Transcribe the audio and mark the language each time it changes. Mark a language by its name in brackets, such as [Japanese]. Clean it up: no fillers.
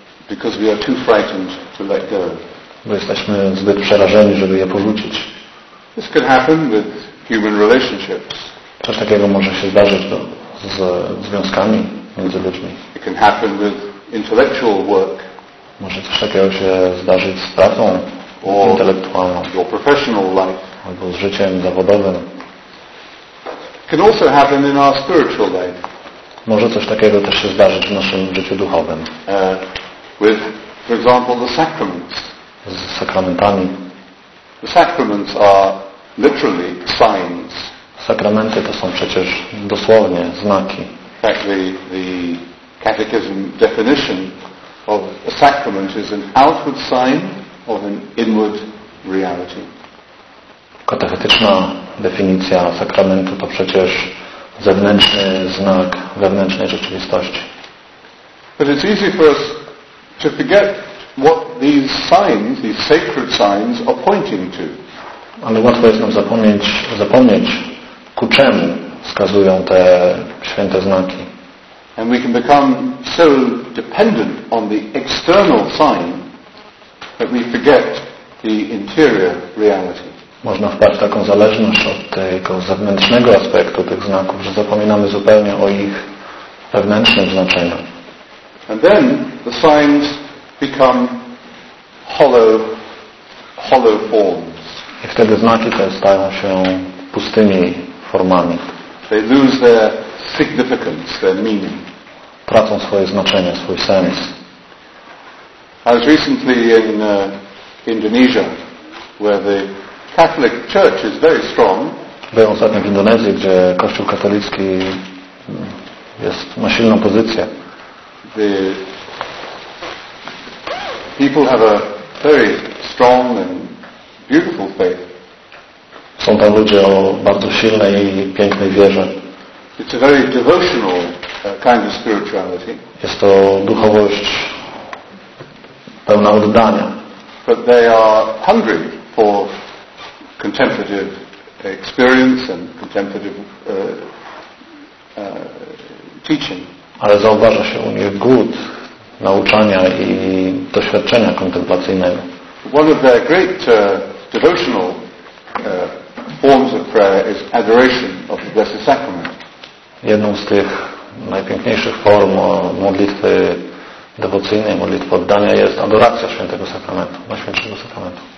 [English] Because we are too frightened to let go. [Polish] Bo jesteśmy zbyt przerażeni, żeby je porzucić. [English] This can happen with human relationships. [Polish] Coś takiego może się zdarzyć z związkami między ludźmi. [English] It can happen with intellectual work. [Polish] Może coś takiego się zdarzyć z pracą intelektualną. [English] Or professional life. [Polish] Albo z życiem zawodowym. [English] It can also happen in our spiritual life. [Polish] Może coś takiego też się zdarzyć w naszym życiu duchowym. [English] With, for example, the sacraments. [Polish] Z sakramentami. [English] The sacraments are literally signs. [Polish] Sakramenty to są przecież dosłownie znaki. [English] In fact, the catechism definition of a sacrament is an outward sign of an inward reality. [Polish] Katechetyczna definicja sakramentu to przecież zewnętrzny znak wewnętrznej rzeczywistości. [English] But it's easy for us to forget what these signs, these sacred signs, are pointing to. [Polish] Ale łatwo jest nam zapomnieć, ku czemu wskazują te święte znaki. [English] And we can become so dependent on the external sign that we forget the interior reality. [Polish] Można wpaść w taką zależność od tego zewnętrznego aspektu tych znaków, że zapominamy zupełnie o ich wewnętrznym znaczeniu. [English] And then the signs become hollow forms. [Polish] I wtedy znaki te stają się pustymi formami. [English] They lose their significance, their meaning. [Polish] Tracą swoje znaczenie, swój sens. [English] I was recently in Indonesia, where the Catholic Church is very strong. [Polish] Byłem ostatnio w Indonezji, gdzie Kościół katolicki ma silną pozycję. [English] The people have a very strong and beautiful faith. [Polish] Są tam ludzie o bardzo silnej i pięknej wierze. [English] It's a very devotional kind of spirituality. [Polish] Jest to duchowość pełna oddania. [English] But they are hungry for contemplative experience and contemplative teaching. [Polish] Ale zauważa się u nich głód nauczania i doświadczenia kontemplacyjnego. [English] One of their great devotional forms of prayer is adoration of the Blessed Sacrament. [Polish] Jedną z tych najpiękniejszych form modlitwy dewocyjnej, modlitwy oddania, jest adoracja Świętego Sakramentu, Najświętszego Sakramentu.